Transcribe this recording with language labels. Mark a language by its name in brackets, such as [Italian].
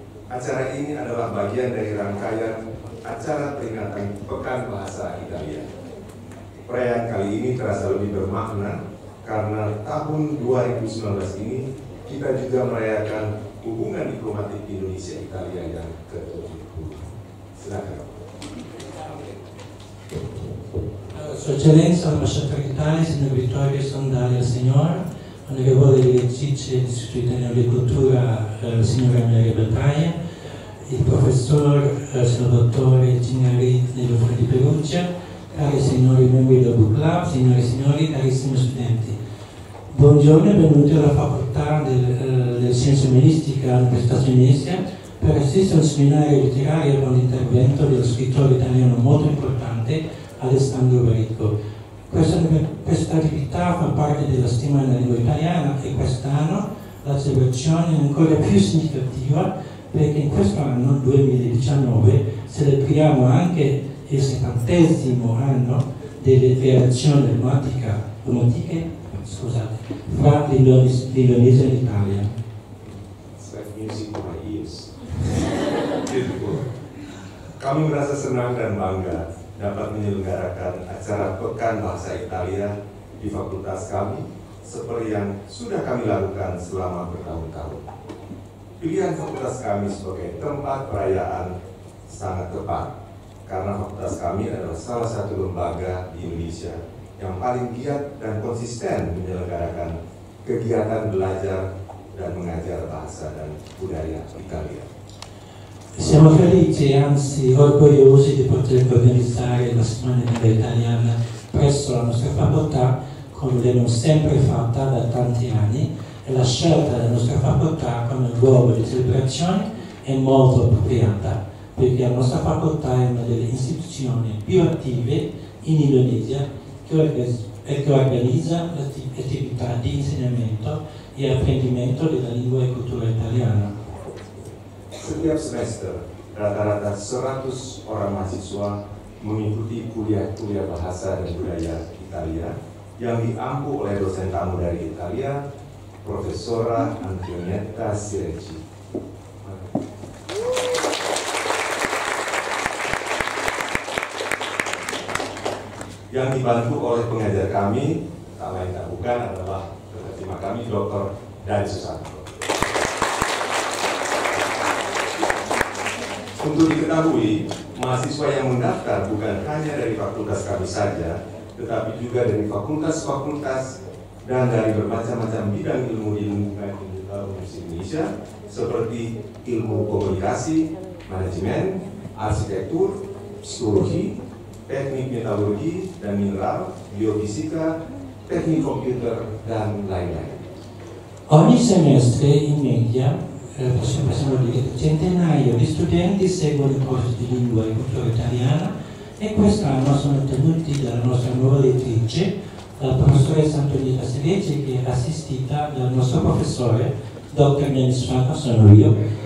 [Indonesian] Acara ini adalah bagian dari rangkaian acara peringatan Pekan Bahasa Italia. Perayaan kali ini terasa lebih bermakna karena tahun 2019 ini kita juga merayakan hubungan diplomatik Indonesia-Italia yang ke-70. Silakan. [Italian] Sua Eccellenza l'Ambasciatore d'Italia, signor Vittorio Sandari, signor, onorevole direttrice dell'Istituto Italiano di Cultura, signora Maria Battaglia, il professor, signor dottore Gignari Nello di Perugia, cari signori membri del Book Club, signori e signori, carissimi studenti. Buongiorno e benvenuti alla Facoltà delle Scienze Umanistiche all'Università di Venezia per assistere a un seminario letterario con l'intervento dello scrittore italiano molto importante Alessandro Barico. Questa attività fa parte della stima della lingua italiana e quest'anno la celebrazione è ancora più significativa, perché in questo anno, 2019, celebriamo anche il 70° anno delle relazioni diplomatiche, scusate, fra l'Indonesia e l'Italia. [English] It's like music to my ears. Beautiful. [Indonesian] Kami merasa senang dan bangga dapat menyelenggarakan acara Pekan Bahasa Italia di fakultas kami, seperti yang sudah kami lakukan selama bertahun-tahun. Pilihan fakultas kami sebagai tempat perayaan sangat tepat, karena fakultas kami adalah salah satu lembaga di Indonesia yang paling giat dan konsisten menyelenggarakan kegiatan belajar dan mengajar bahasa dan budaya Italia. [Italian] Siamo felici, anzi orgogliosi, di poter organizzare la settimana italiana presso la nostra facoltà, come viene sempre fatta da tanti anni, e la scelta della nostra facoltà come luogo di celebrazione è molto appropriata, perché la nostra facoltà è una delle istituzioni più attive in Indonesia che organizza attività di insegnamento e apprendimento della lingua e cultura italiana. [Indonesian] Setiap semester, rata-rata 100 orang mahasiswa mengikuti kuliah-kuliah bahasa dan budaya Italia yang diampu oleh dosen tamu dari Italia, Profesora Antonietta Sireci. Yang dibantu oleh pengajar kami, tak lain tak bukan adalah penerima kami, Dr. Dan Susanto. Untuk diketahui, mahasiswa yang mendaftar bukan hanya dari fakultas kami saja, tetapi juga dari fakultas-fakultas dan dari bermacam-macam bidang ilmu di Universitas Indonesia seperti ilmu komunikasi, manajemen, arsitektur, psikologi, teknik metalurgi dan mineral, biofisika, teknik komputer, dan lain-lain. [Italian] Ogni semestre in media, possiamo dire, centinaia di studenti seguono i corsi di lingua e cultura italiana e quest'anno sono tenuti dalla nostra nuova lettrice, la professoressa Antonietta Sireci, che è assistita dal nostro professore, dottor Dennis Franco, sono io,